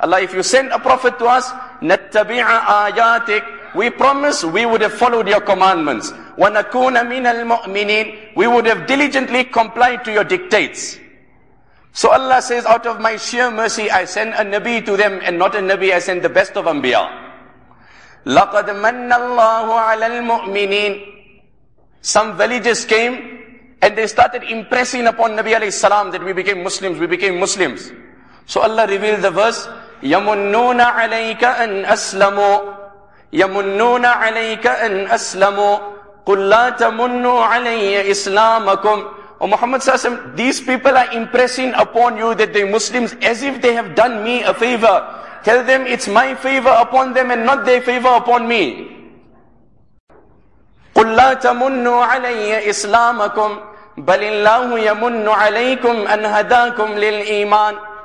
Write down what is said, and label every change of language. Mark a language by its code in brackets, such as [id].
[en] Allah, if you send a prophet to us, [ar] نَتَّبِعَ آيَاتِكَ, [en] we promise we would have followed your commandments. [ar] وَنَكُونَ مِنَ الْمُؤْمِنِينَ, [en] we would have diligently complied to your dictates. So Allah says, out of my sheer mercy, I send a Nabi to them, and not a Nabi, I send the best of Anbiya. [ar] لَقَدْ مَنَّ اللَّهُ عَلَى الْمُؤْمِنِينَ. [en] Some villagers came, And they started impressing upon Nabi alayhi salam that we became Muslims, we became Muslims. So Allah revealed the verse, [ar] يَمُنُّونَ عَلَيْكَ أَنْ أَسْلَمُوا يَمُنُّونَ عَلَيْكَ أَنْ أَسْلَمُوا قُلْ لَا تَمُنُّوا عَلَيَّ إِسْلَامَكُمْ. [en] O Muhammad sallallahu alayhi wa sallam, these people are impressing upon you that they're Muslims as if they have done me a favor. Tell them it's my favor upon them and not their favor upon me. [ar] قُلْ لَا تَمُنُّوا عَلَيَّ إِسْلَامَكُمْ بَلِ اللَّهُ يَمُنُّ عَلَيْكُمْ أَنْ هَدَاكُمْ لِلْإِيمَانِ.